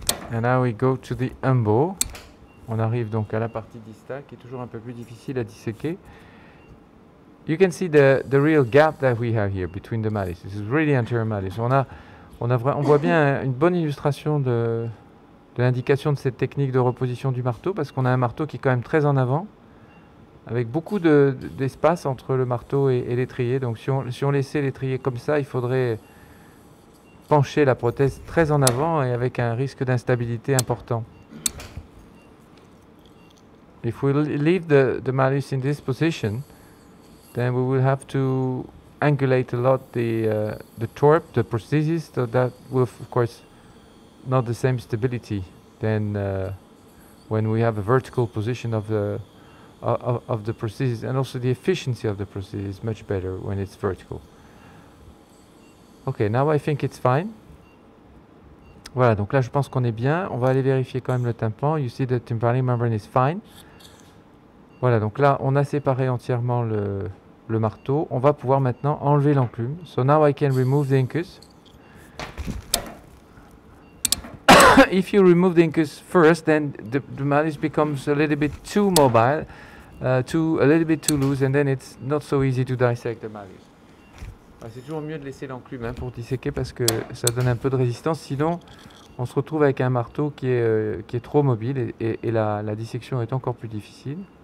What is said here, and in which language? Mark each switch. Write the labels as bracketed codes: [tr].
[en] And now we go to the umbo. [fr] On arrive donc à la partie distale qui est toujours un peu plus difficile à disséquer. [en] You can see the real gap that we have here between the malleus. This is really anterior malleus. [fr] On voit bien une bonne illustration de l'indication de cette technique de reposition du marteau parce qu'on a un marteau qui est quand même très en avant avec beaucoup d'espace entre le marteau et l'étrier. Donc si on laissait l'étrier comme ça, il faudrait pencher la prothèse très en avant et avec un risque d'instabilité important. [en] If we leave the malleus in this position, then we will have to angulate a lot the torp, the prosthesis, so that will of course not the same stability than when we have a vertical position of the prosthesis, and also the efficiency of the prosthesis is much better when it's vertical. Okay, now I think it's fine. [fr] Voilà, donc là je pense qu'on est bien. On va aller vérifier quand même le tympan. [en] You see the tympanic membrane is fine. [fr] Voilà, donc là on a séparé entièrement le marteau. On va pouvoir maintenant enlever l'enclume. [en] So now I can remove the incus. If you remove the incus first, then the malleus becomes a little bit too mobile, a little bit too loose, and then it's not so easy to dissect the malleus. [fr] C'est toujours mieux de laisser l'enclume hein, pour disséquer parce que ça donne un peu de résistance. Sinon, on se retrouve avec un marteau qui est trop mobile et la dissection est encore plus difficile.